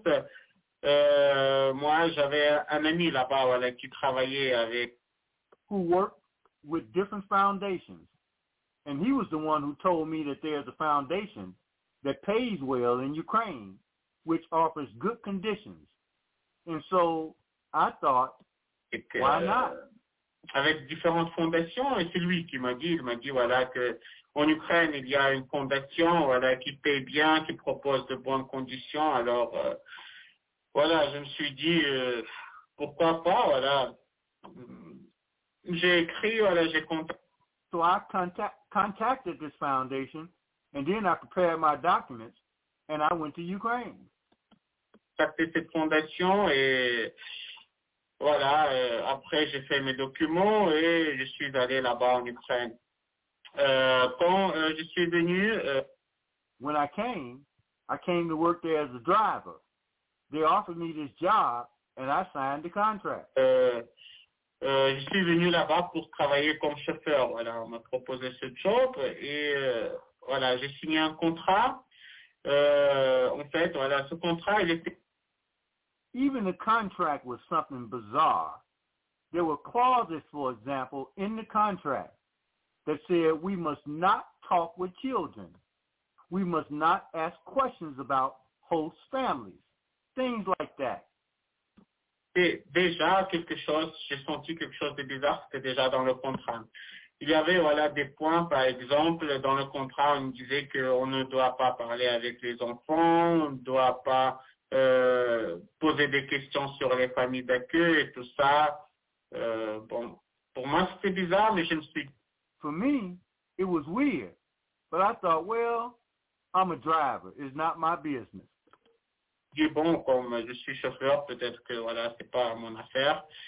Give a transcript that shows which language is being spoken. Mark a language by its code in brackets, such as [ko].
[fr] Moi, j'avais un ami là-bas, voilà, qui travaillait avec. [en] Who worked with different foundations, and he was the one who told me that there's a foundation that pays well in Ukraine, which offers good conditions, and so. I thought, [fr] que, [en] why not? [fr] Avec différentes fondations, et c'est lui qui m'a dit, voilà, que en Ukraine, il y a une fondation, voilà, qui paye bien, qui propose de bonnes conditions, alors, voilà, je me suis dit, pourquoi pas, voilà. J'ai écrit, voilà, j'ai contacté. [en] So I contacted this foundation, and then I prepared my documents, and I went to Ukraine. [fr] Contacté cette fondation, et... Voilà, après j'ai fait mes documents et je suis allé là-bas en Ukraine. Quand je suis venu... [en] When I came to work there as a driver. They offered me this job and I signed the contract. [fr] Je suis venu là-bas pour travailler comme chauffeur. Voilà, on m'a proposé ce job et voilà, j'ai signé un contrat. En fait, voilà, ce contrat, il était... [en] Even the contract was something bizarre. There were clauses, for example, in the contract that said we must not talk with children. We must not ask questions about host families. Things like that. [fr] Et déjà quelque chose, j'ai senti quelque chose de bizarre, c'était déjà dans le contrat. Il y avait voilà des points, par exemple, dans le contrat, on disait qu'on ne doit pas parler avec les enfants, on ne doit pas... poser des questions sur les familles d'accueil et tout ça. Bon, pour moi, c'était bizarre, mais je me suis... [en] For me, it was weird. But I thought, well, I'm a driver. It's not my business. [fr] Et bon, comme je suis chauffeur, peut-être que voilà, c'est pas mon affaire.